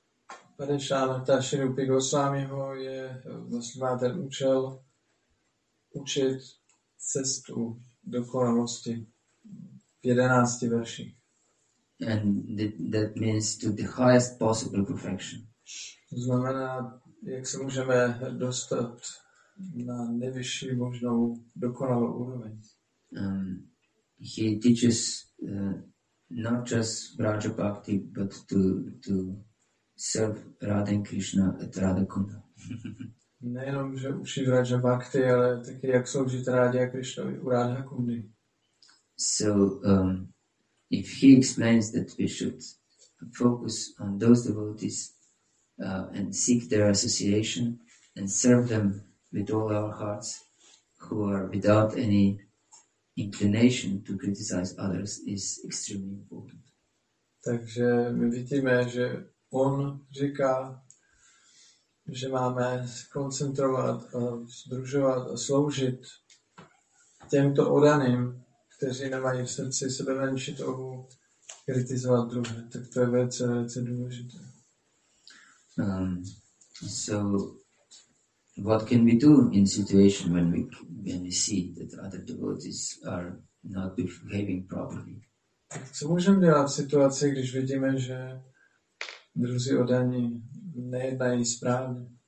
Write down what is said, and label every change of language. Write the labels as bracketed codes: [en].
[cs] Upadeshamrita Shri Rupa Goswami ho je vlastně má ten účel učit cestu dokonalosti v 11 verších. [en] And that means to the highest possible perfection. [cs] To znamená, jak se můžeme dostat na nejvyšší možnou dokonalou úroveň. [en] He teaches not just Raja Bhakti, but to serve Radha and Krishna at Radha Kunda. [cs] Nejenom, že učí Raja Bhakti, ale taky jak sloužit Radha Krishnovi u Radha Kundy. [en] So if he explains that we should focus on those devotees and seek their association and serve them with all our hearts who are without any inclination to criticize others is extremely important. [cs] Takže my vidíme, že on říká, že máme koncentrovat a združovat a sloužit těmto oddaným, kteří nemají v srdci sebe menší touhu kritizovat druhé, tak to je velice, velice důležité. [en] So, what can we do in situation when we see that other devotees are not behaving properly? [cs] Co můžeme dělat v situaci, když vidíme, že druzí oddaní nejednají správně?